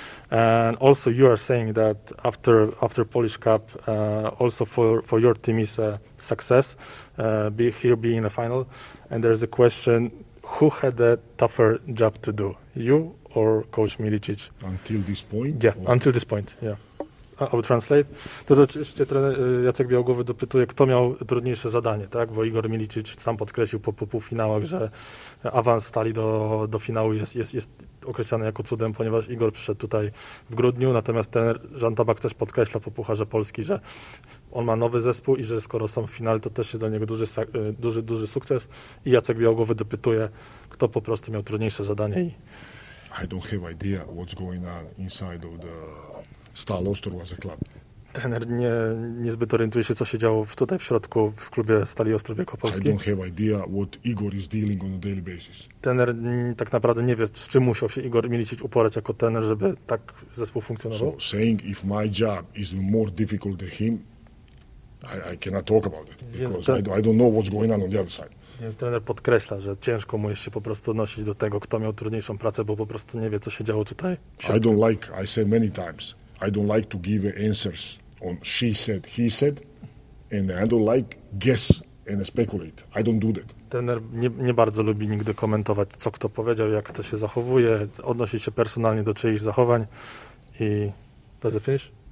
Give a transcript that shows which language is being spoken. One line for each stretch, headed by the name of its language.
English: And also you are saying that after Polish Cup, also for your team is a success here being in the final. And there is a question, who had a tougher job to do, you or coach Milicic? Until this point? Yeah, or? Until this point, yeah. I will translate.
Polish: To oczywiście Jacek Białogłowy dopytuje, kto miał trudniejsze zadanie, tak? Bo Igor Milicic sam podkreślił po półfinałach, że awans Stali do finału jest określany jako cudem, ponieważ Igor przyszedł tutaj w grudniu, natomiast ten Jan Tabak też podkreśla po Pucharze Polski, że on ma nowy zespół i że skoro są w finale, to też jest dla niego duży sukces. I Jacek Białogłowy dopytuje, kto po prostu miał trudniejsze zadanie i
English: I don't have idea what's going on inside of the Stal Ostrów as a club.
Polish: Trener niezbyt orientuje się, co się działo tutaj w środku w klubie Stali Ostrów Wielkopolski.
English: I don't have idea what Igor is dealing on a daily basis.
Polish: Trener tak naprawdę nie wie, z czym musiał się Igor Milicic uporać jako trener, żeby tak zespół funkcjonował.
English: So saying if my job is more difficult than him, I cannot talk about it because I don't know what's going on the other side.
Polish: Trener podkreśla, że ciężko mu jest się po prostu odnosić do tego, kto miał trudniejszą pracę, bo po prostu nie wie, co się działo tutaj.
English: I don't like, I said many times, I don't like to give answers on she said, he said, and I don't like guess and speculate. I don't do that.
Polish: Trener nie bardzo lubi nigdy komentować, co kto powiedział, jak kto się zachowuje, odnosić się personalnie do czyichś zachowań i...
English: Does it finish?